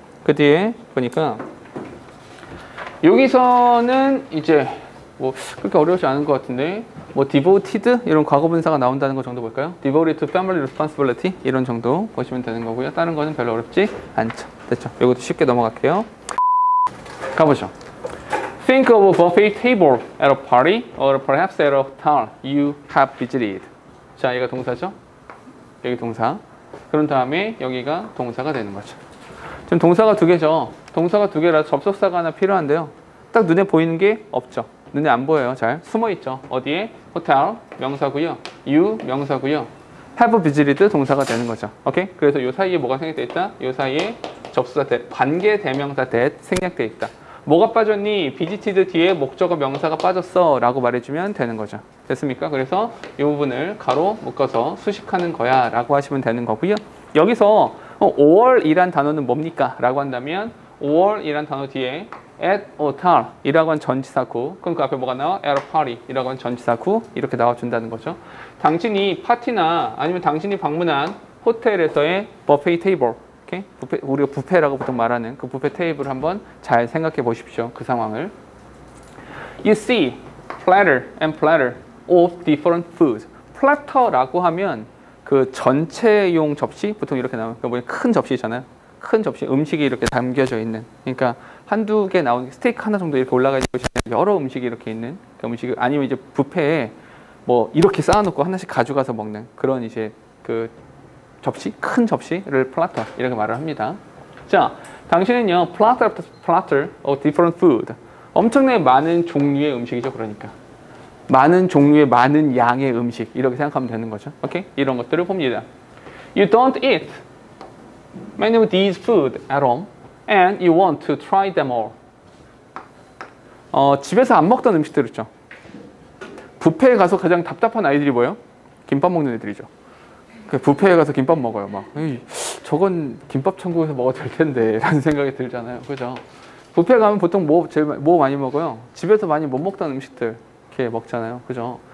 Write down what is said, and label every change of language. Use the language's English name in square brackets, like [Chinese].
[Korean] 그 뒤에 보니까 여기서는 이제 뭐 그렇게 어려우지 않은 것 같은데 뭐 devoted 이런 과거분사가 나온다는 것 정도 볼까요? devoted to family responsibility 이런 정도 보시면 되는 거고요. 다른 거는 별로 어렵지 않죠. 됐죠? 이것도 쉽게 넘어갈게요. 가보죠. [English] Think of a buffet table at a party or perhaps at a hotel you have visited. [Korean] 자, 얘가 동사죠? 여기 동사. 그런 다음에 여기가 동사가 되는 거죠. 지금 동사가 두 개죠. 동사가 두 개라 접속사가 하나 필요한데요. 딱 눈에 보이는 게 없죠. 눈에 안 보여요. 잘 숨어 있죠. 어디에? hotel 명사고요. you 명사고요. have visited 동사가 되는 거죠. 오케이? 그래서 요 사이에 뭐가 생략돼 있다? 요 사이에 접속사 that, 관계 대명사 that 생략돼 있다. 뭐가 빠졌니? visited 뒤에 목적어 명사가 빠졌어 라고 말해주면 되는 거죠. 됐습니까? 그래서 이 부분을 가로 묶어서 수식하는 거야 라고 하시면 되는 거고요. 여기서 or 이란 단어는 뭡니까? 라고 한다면 or 이란 단어 뒤에 at hotel 이라고 한 전치사구 그럼 그 앞에 뭐가 나와? at a party 이라고 한 전치사구 이렇게 나와준다는 거죠. 당신이 파티나 아니면 당신이 방문한 호텔에서의 buffet table 부페, 우리가 부페라고 보통 말하는 그 부페 테이블을 한번 잘 생각해 보십시오. 그 상황을 [English] You see platter and platter of different foods. [Korean] platter라고 하면 그 전체용 접시 보통 이렇게 나오면 그러니까 큰 접시잖아요. 큰 접시 음식이 이렇게 담겨져 있는 그러니까 한두 개 나온 스테이크 하나 정도 이렇게 올라가 있는 여러 음식이 이렇게 있는 그 음식 아니면 이제 부페에 뭐 이렇게 쌓아놓고 하나씩 가져가서 먹는 그런 이제 그 접시, 큰 접시를 platter 이렇게 말을 합니다. 자, 당신은요 [English] platter after platter of different food [Korean] 엄청나게 많은 종류의 음식이죠. 그러니까 많은 종류의 많은 양의 음식 이렇게 생각하면 되는 거죠. 오케이? 이런 것들을 봅니다. [English] You don't eat many of these food at home and you want to try them all. [Korean] 집에서 안 먹던 음식들 있죠. 뷔페에 가서 가장 답답한 아이들이 뭐예요? 김밥 먹는 애들이죠. 뷔페에 가서 김밥 먹어요. 막 저건 김밥 천국에서 먹어도 될 텐데 라는 생각이 들잖아요. 그죠? 뷔페 가면 보통 뭐 많이 먹어요? 집에서 많이 못 먹던 음식들 이렇게 먹잖아요. 그죠?